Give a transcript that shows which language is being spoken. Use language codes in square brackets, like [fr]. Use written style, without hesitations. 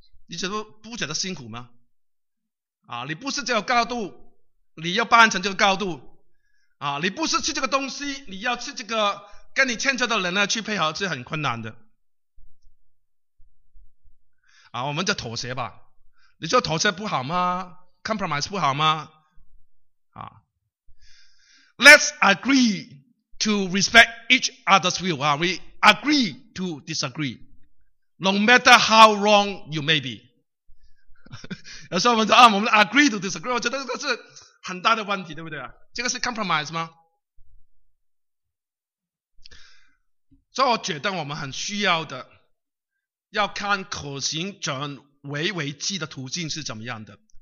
[zh] 你觉得不觉得辛苦吗？啊，你不是这个高度，你要搬成这个高度。啊，你不是吃这个东西，你要吃这个跟你迁就的人呢去配合，是很困难的。啊，我们就妥协吧。你说妥协不好吗 ？Compromise 不好吗？ [en] 啊 ，Let's agree to respect each other's view. We agree to disagree, no matter how wrong you may be. [zh] 有时候我们说啊，我们 [en] agree to disagree， [zh] 我觉得这个是很大的问题，对不对啊？这个是 compromise 吗？所以我觉得我们很需要的，要看可行转危为机的途径是怎么样的。